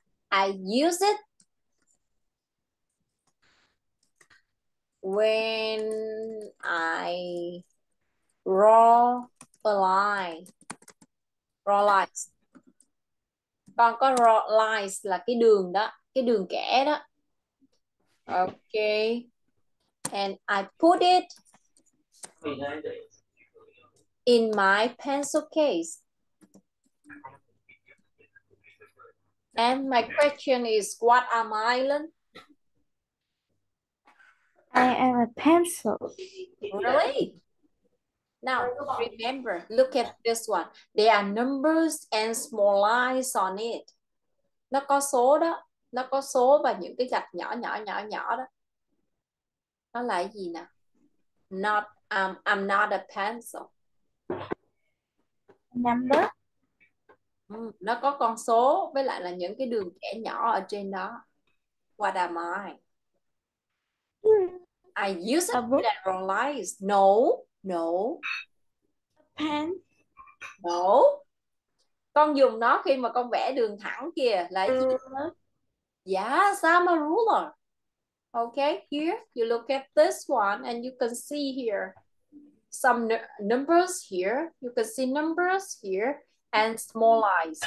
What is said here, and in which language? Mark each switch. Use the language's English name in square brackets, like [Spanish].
[English] I use it when I draw a line. Draw lines. [Vietnamese] Còn có [English] draw lines [Vietnamese] là cái đường đó, cái đường kẻ đó. [English] Okay. And I put it in my pencil case. And my question is, what am I, Lynn? I am a pencil. Really? Now, remember, look at this one. There are numbers and small lines on it. [Vietnamese] Nó có số đó. Nó có số và những cái gạch nhỏ nhỏ nhỏ nhỏ đó. Nó là gì nào? [English] I'm not a pencil. [Vietnamese] Number. Nó có con số với lại là những cái đường kẻ nhỏ ở trên đó. [English] What am I? I use a book. Generalize. No, no. A pen. No. [Vietnamese] Con dùng nó khi mà con vẽ đường thẳng kìa. Là [English] yes, I'm a ruler. Okay, here you look at this one and you can see here some numbers here. You can see numbers here and small eyes.